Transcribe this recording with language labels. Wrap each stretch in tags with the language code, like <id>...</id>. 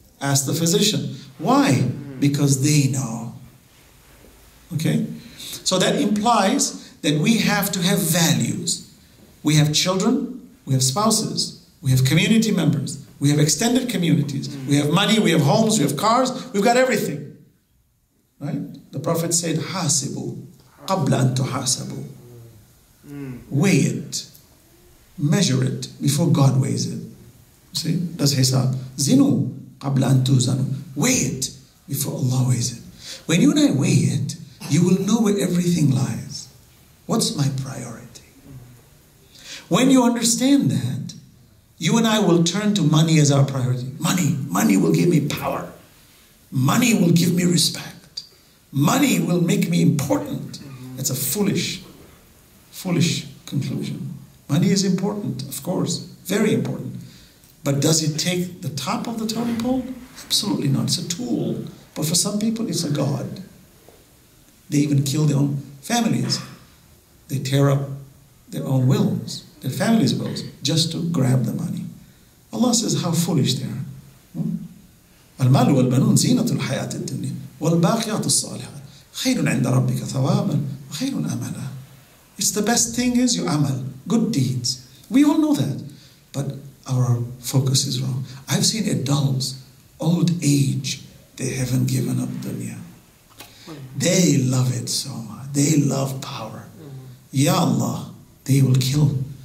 <en>Ask the physician. Why? Because they know. Okay? So that implies that we have to have values. We have children. We have spouses. We have community members. We have extended communities. We have money. We have homes. We have cars. We've got everything. Right? The Prophet said,</en> <ar>حَاسِبُوا قَبْلَ أَن تُحَاسَبُوا.</ar> <en>Weigh it, measure it before God weighs it. See, does hisab.</en> <ar>Zinu qabla an tuzanu.</ar> <en>Weigh it before Allah weighs it. When you and I weigh it, you will know where everything lies. What's my priority? When you understand that, you and I will turn to money as our priority. Money, money will give me power. Money will give me respect. Money will make me important. It's a foolish conclusion. Money is important, of course, very important. But does it take the top of the totem pole? Absolutely not. It's a tool. But for some people, it's a god. They even kill their own families. They tear up their own wills, their family's wills, just to grab the money. Allah says, how foolish they are.</en> <ar>المال والبنون زينة الحياة الدنيا والباقيات الصالحات خير عند ربك ثوابا وخير أملا.</ar> <en>It's the best thing is your amal, good deeds. We all know that. But our focus is wrong. I've seen adults, old age, they haven't given up dunya. They love it so much. They love power. Ya Allah, they will kill.</en>